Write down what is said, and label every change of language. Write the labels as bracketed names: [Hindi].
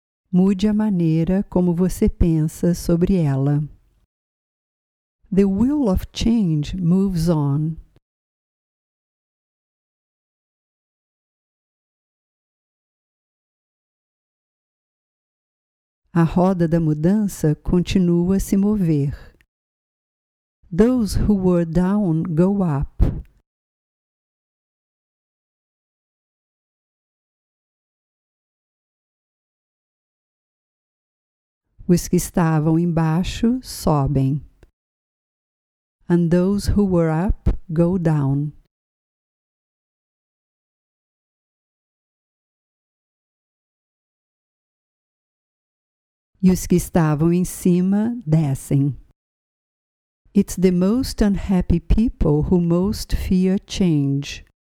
[Portuguese] Mude a maneira como você pensa sobre ela. [English] The will of change moves on. [Portuguese] A roda da mudança continua a se mover. [English] Those who were down go up. [Portuguese] Os que estavam embaixo sobem. [English] And those who were up go down. [Portuguese] E os que estavam em cima descem. [English] It's the most unhappy people who most fear change.